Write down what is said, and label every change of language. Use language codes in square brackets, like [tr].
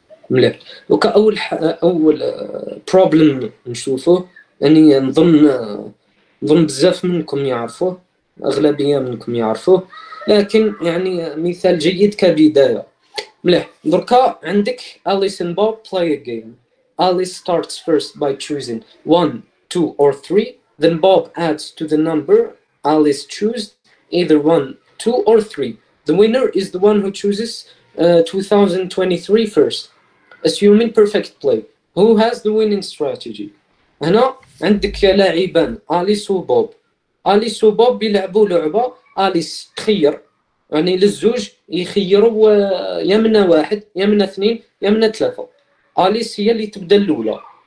[ar] مليح دونك اول بروبلم نشوفوه يعني نظن بزاف منكم يعرفوه اغلبيه منكم يعرفوه لكن يعني مثال جيد كبدايه مليح دركا عندك [en] اليس ان بوب بلاي ا جيم اليس ستارتس فيرست باي تشوزين 1 2 اور 3 Then Bob adds to the number Alice chose, either 1, 2, or 3. The winner is the one who chooses 2023 first, assuming perfect play. Who has the winning strategy? [ar] هنا عندك لاعبان Alice و Bob. Alice و Bob بيلعبوا لعبة. Alice تخير. يعني للزوج يخيروا يمنى واحد، يمنى اثنين، يمنى ثلاثة. Alice هي اللي تبدأ الأولى.